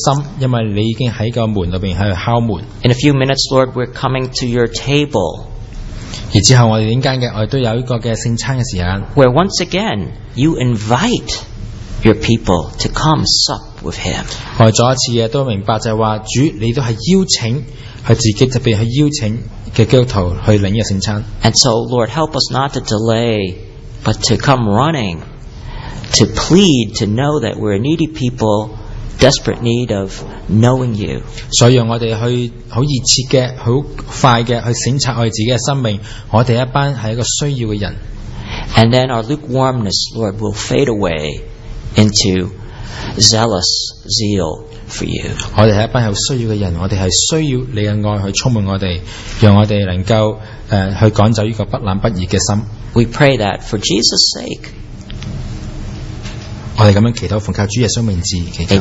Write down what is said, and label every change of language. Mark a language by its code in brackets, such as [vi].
[zh] 所以我们的意思就是说，我们需要在你入面当中，我们打开你的心，因为你已经在门里面去敲门。 [en] In a few minutes, Lord, we're coming to your table. [zh] 而之后我们都有一个圣餐的时间。 [en] Where once again, you invite your people to come sup with him. [zh] 我们再一次都明白就是说，主你都是邀请。特别是邀请的基督徒去领这个圣餐。 [en] And so, Lord, help us not to delay, but to come running, to plead, to know that we're a needy people, desperate need of knowing you. [zh] 所以让我们去很热切的、很快的去省察我们自己的生命，我们一班是一个需要的人。 [en] And then our lukewarmness, Lord, will fade away into zealous zeal for you. [zh] 我们是一班有需要的人，我们是需要你的爱去充满我们，让我们能够去赶走这个不冷不热的心。 [en] We pray that for Jesus' sake. [zh] 我们这样祈祷，奉靠主耶稣名字祈祷。